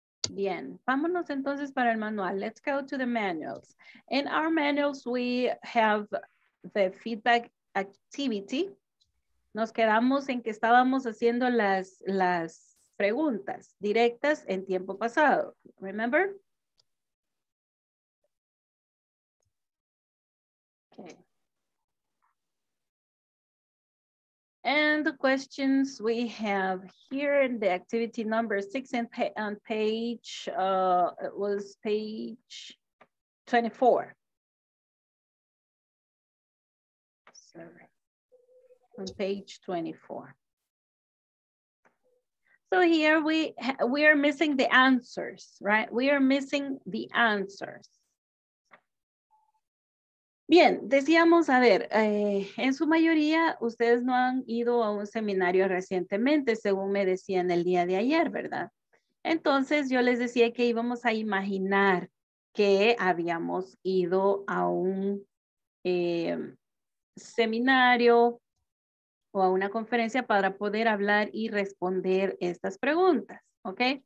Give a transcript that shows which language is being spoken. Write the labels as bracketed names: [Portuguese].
[Spanish] Bien, vámonos entonces para el manual. [English] Let's go to the manuals. In our manuals, we have the feedback activity. [Spanish] Nos quedamos en que estábamos haciendo las preguntas directas en tiempo pasado. [English] Remember? Okay. And the questions we have here in the activity number 6 and on page it was page 24. Sorry. On page 24. So here we are missing the answers, right? We are missing the answers. [Spanish] Bien, decíamos, a ver, en su mayoría, ustedes no han ido a un seminario recientemente, según me decían el día de ayer, ¿verdad? Entonces yo les decía que íbamos a imaginar que habíamos ido a un seminario o a una conferencia para poder hablar y responder estas preguntas, ¿ok?